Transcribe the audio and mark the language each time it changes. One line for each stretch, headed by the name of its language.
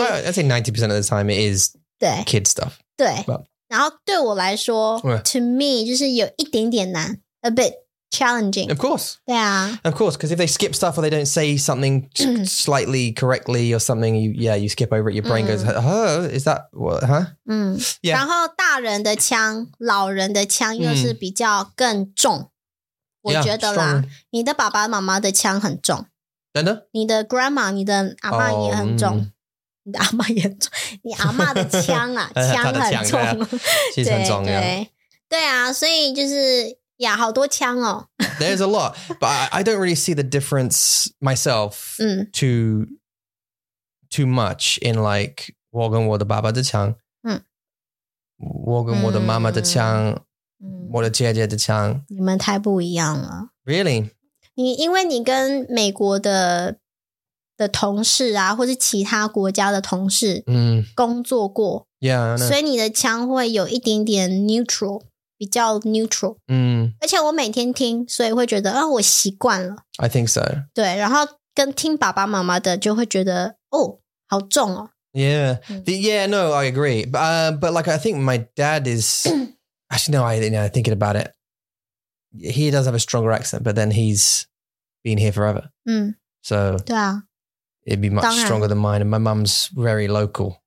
English: I think 90% of the time it is kid stuff
Chinese: 对 But, 然后对我来说 to me 就是有一点点难
English: a bit challenging of course 对啊 of course because if they skip stuff or they don't say something slightly correctly or something you skip over it your brain goes oh is that what huh
Chinese: yeah 然后大人的腔老人的腔又是比较更重我觉得啦
English: yeah,
Chinese: 你的爸爸妈妈的腔很重真的你的 grandma 你的阿嬷也很重、你的阿嬷也重，你阿嬷的腔啊，腔很重，其实很重要。对啊，所以就是呀，好多腔哦。
English: There's a lot, but I don't really see the difference myself too much in like
Chinese: 我跟我的爸爸的腔，我跟我的妈妈的腔，我的姐姐的腔。你们太不一样了。
English: Really?
Chinese: 你因为你跟美国的同事啊，或是其他国家的同事，工作过
English: ，Yeah， I know.
Chinese: 所以你的腔会有一点点 neutral， 比较 neutral， 而且我每天听，所以会觉得，我习惯了。
English: I think so。
Chinese: 对，然后跟听爸爸妈妈的，就会觉得，哦，好重哦。
English: Yeah, no, I agree. But like, I think my dad is actually no. I thinking about it, he does have a stronger accent, but then he's been here forever. So
Chinese: 对啊。
English: It'd be much stronger than mine. And my mum's very local.